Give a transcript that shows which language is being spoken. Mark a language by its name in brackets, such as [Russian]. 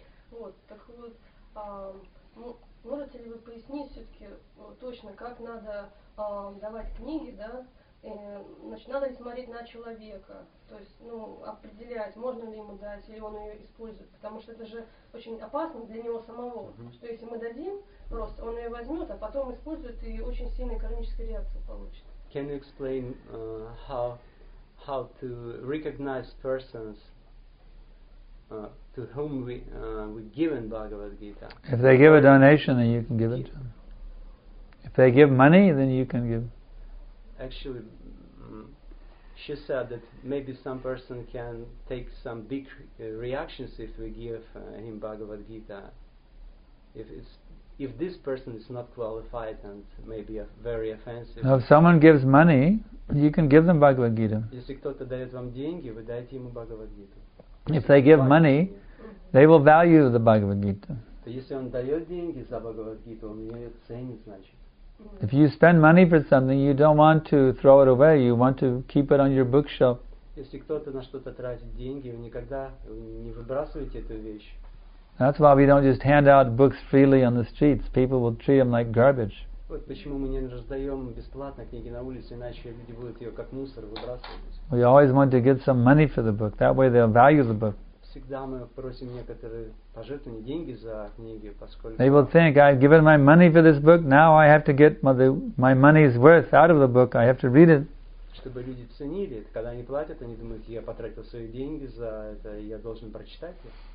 [Russian] Вот, так вот, можете ли вы пояснить все-таки точно, как надо давать книги, да, значит, надо ли смотреть на человека, то есть, ну, определять, можно ли ему дать, или он ее использует, потому что это же очень опасно для него самого, что если мы дадим, просто он ее возьмет, а потом использует и очень сильную кармическую реакцию получит. [English] Can you explain how to recognize persons to whom we given Bhagavad Gita? If they give a donation, then you can give it to them. If they give money, then you can give. Actually, she said that maybe some person can take some big reactions if we give him Bhagavad Gita. If it's if this person is not qualified and maybe a very offensive. Now, if someone gives money, you can give them Bhagavad Gita. [Russian] Если кто-то дает вам деньги, вы даете ему Bhagavad Gita. [English] If they give money, they will value the Bhagavad Gita. [Russian] То если он дает деньги за Bhagavad Gita, он ее ценит, значит. [English] If you spend money for something, you don't want to throw it away. You want to keep it on your bookshelf. [Russian] Если кто-то на что-то тратит деньги, вы никогда не выбрасываете эту вещь. [English] That's why we don't just hand out books freely on the streets. People will treat them like garbage. [Russian] Вот почему мы не раздаем бесплатно книги на улице, иначе люди будут ее как мусор выбрасывать. [English] We always want to get some money for the book. That way they'll value the book. [Russian] Всегда мы просим некоторые пожертвования, деньги за книги, поскольку... [English] They will think, I've given my money for this book, now I have to get my money's worth out of the book, I have to read it. [Russian] Чтобы люди ценили, когда они платят, они думают, я потратил свои деньги за это, я должен прочитать их.